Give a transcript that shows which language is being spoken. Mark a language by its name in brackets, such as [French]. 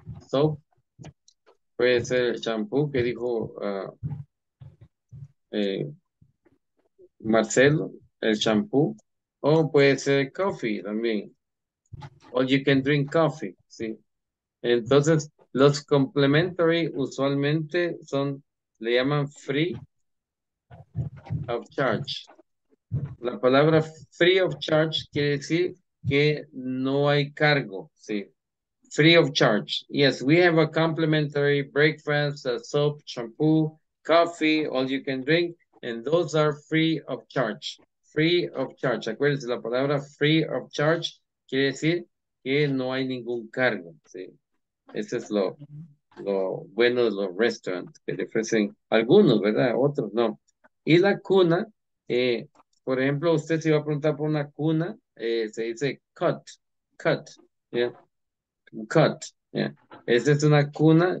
[Spanish] Soap, puede ser el shampoo que dijo Marcelo, el shampoo, o puede ser coffee también, [English] or you can drink coffee, [Spanish] ¿sí? Entonces, los complimentary usualmente son, le llaman free of charge. La palabra free of charge quiere decir que no hay cargo, ¿sí? [English] Free of charge. Yes, we have a complimentary breakfast, a soap, shampoo, coffee, all you can drink, and those are free of charge. Free of charge. [Spanish] Acuérdense, la palabra free of charge quiere decir que no hay ningún cargo, ¿sí? Ese es lo bueno de los restaurants que le ofrecen algunos, ¿verdad? Otros no. Y la cuna, por ejemplo, usted si va a preguntar por una cuna, se dice cot, cot, esa es una cuna.